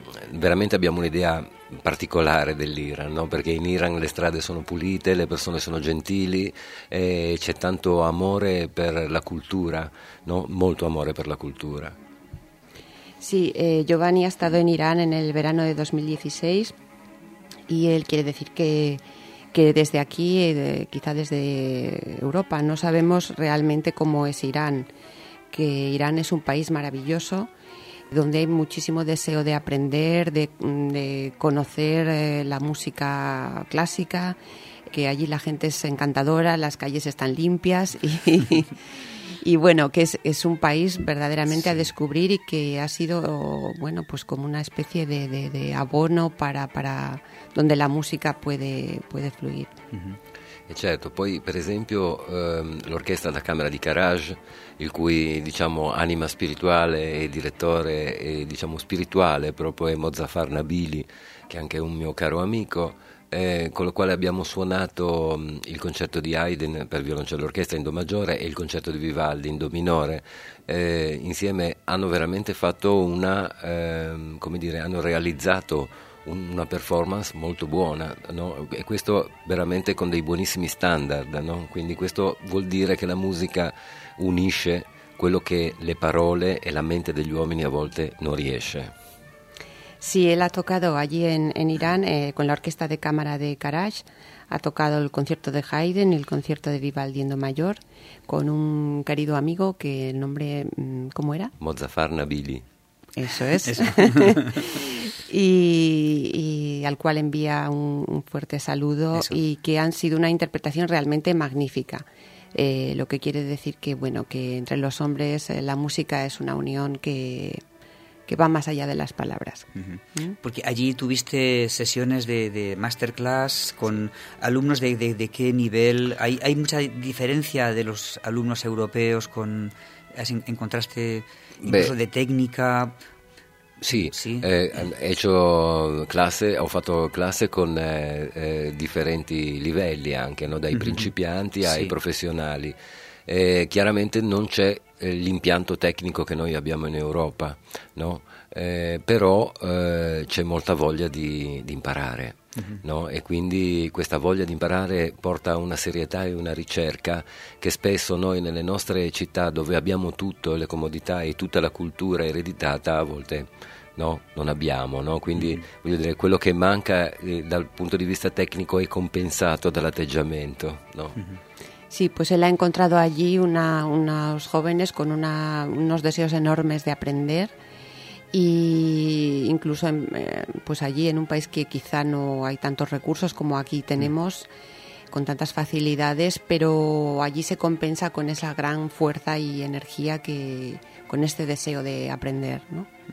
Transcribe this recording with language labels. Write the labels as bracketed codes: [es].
[it] Veramente abbiamo un'idea particolare dell'Iran, no? Perché in Iran le strade sono pulite, le persone sono gentili e c'è tanto amore per la cultura, no? Molto amore per la cultura. [es] Sì, Giovanni ha stato in Iran en el verano de 2016 y él quiere decir que desde aquí, quizá desde Europa, no sabemos realmente cómo es Irán, que Irán es un país maravilloso donde hay muchísimo deseo de aprender, de conocer la música clásica, que allí la gente es encantadora, las calles están limpias y bueno, que es un país verdaderamente sí. A descubrir y que ha sido, bueno, pues como una especie de abono para donde la música puede fluir. [it] Uh-huh. E certo, poi per esempio l'orchestra da camera di Karaj, il cui, diciamo, anima spirituale e direttore, e, diciamo, spirituale proprio è Mozaffar Nabili, che è anche un mio caro amico, con lo quale abbiamo suonato il concerto di Haydn per violoncello orchestra in do maggiore e il concerto di Vivaldi in do minore, insieme hanno veramente fatto una, come dire, hanno realizzato una performance molto buona, no? E questo veramente con dei buonissimi standard, no? Quindi questo vuol dire che la musica unisce quello che le parole e la mente degli uomini a volte non riesce. [es] Sí, él ha tocado allí en Irán con la orquesta de cámara de Karaj, ha tocado el concierto de Haydn y el concierto de Vivaldi en do mayor con un querido amigo que el nombre, ¿cómo era? Mozaffar Nabili. Eso es. y al cual envía un fuerte saludo. Eso. Y que han sido una interpretación realmente magnífica. Lo que quiere decir que, bueno, que entre los hombres la música es una unión que va más allá de las palabras. Porque allí tuviste sesiones de masterclass con alumnos de qué nivel. ¿Hay mucha diferencia de los alumnos europeos con... ¿Encontraste incluso de técnica? Sí, sí. [it] Ho fatto clase con differenti livelli anche, no? Dai principianti ai sì. Professionali. Chiaramente non c'è l'impianto tecnico che noi abbiamo in Europa, no? Però c'è molta voglia di imparare, no? E quindi questa voglia di imparare porta a una serietà e una ricerca che spesso noi nelle nostre città, dove abbiamo tutto, le comodità e tutta la cultura ereditata, a volte no, non abbiamo, no? Quindi voglio dire, quello che manca dal punto di vista tecnico è compensato dall'atteggiamento, no? [es] Sí, pues él ha encontrado allí unos jóvenes con unos deseos enormes de aprender e incluso pues allí en un país que quizá no hay tantos recursos como aquí tenemos con tantas facilidades, pero allí se compensa con esa gran fuerza y energía que con este deseo de aprender, ¿no?